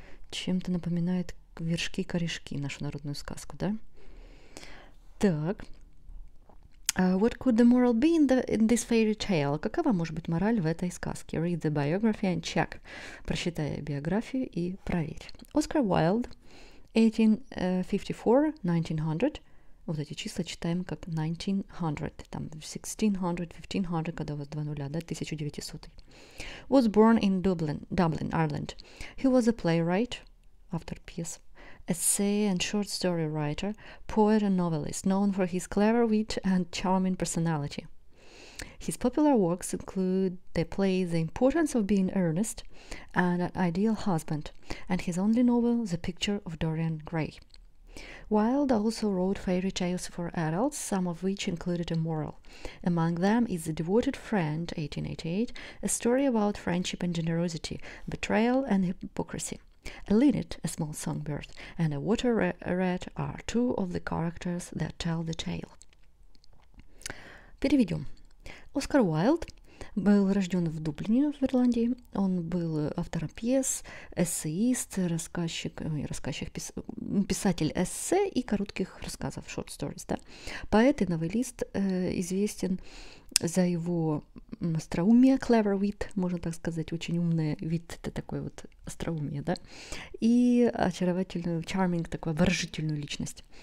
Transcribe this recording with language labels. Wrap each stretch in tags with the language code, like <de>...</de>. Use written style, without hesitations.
<ru>Чем-то напоминает вершки-корешки, нашу народную сказку, да? Так.</ru> <en>What could the moral be in this fairy tale?</en> <ru>Какова может быть мораль в этой сказке?</ru> <en>Read the biography and check.</en> <ru>Прочитай биографию и проверь. Оскар Уайлд, 1854-1900. Вот эти числа читаем как 1900, там 1600, 1500, когда у вас два нуля, да, 1900.</ru> <en>Was born in Dublin, Ireland. He was a playwright,</en> <ru>автор пьес,</ru> <en>essay and short story writer, poet and novelist, known for his clever wit and charming personality. His popular works include the play The Importance of Being Earnest and An Ideal Husband, and his only novel The Picture of Dorian Gray. Wild also wrote fairy tales for adults, some of which included a moral. Among them is The Devoted Friend, 1888, a story about friendship and generosity, betrayal and hypocrisy. A linnet, a small songbird, and a water rat are two of the characters that tell the tale.</en> <ru>Переведем. Оскар Уайлд был рожден в Дублине, в Ирландии. Он был автором пьес, эссеист, писатель эссе и коротких рассказов,</ru> <en>short stories,</en> <ru>да. Поэт и новеллист, известен за его остроумие,</ru> <en>clever wit,</en> <ru>можно так сказать, очень умный вид, это такое вот остроумие, да, и очаровательную,</ru> <en>charming,</en> <ru>такую обворожительную личность.</ru>